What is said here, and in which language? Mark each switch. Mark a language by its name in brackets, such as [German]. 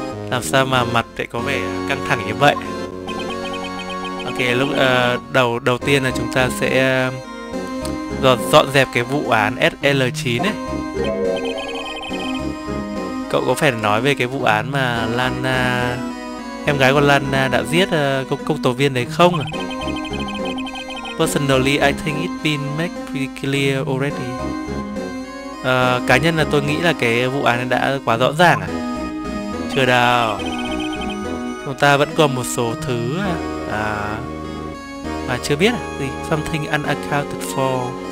[Vietnamese] Làm sao mà mặt lại có vẻ căng thẳng như vậy? Ok, lúc đầu tiên là chúng ta sẽ dọn dẹp cái vụ án SL9 ấy. Cậu có phải nói về cái vụ án mà Lana, em gái của Lana đã giết công tố viên đấy không? [English] Personally, I think it's been made pretty clear already. [Vietnamese] Cá nhân là tôi nghĩ là cái vụ án này đã quá rõ ràng à? Chưa đâu. Chúng ta vẫn còn một số thứ mà chưa biết gì. [English] Something unaccounted for.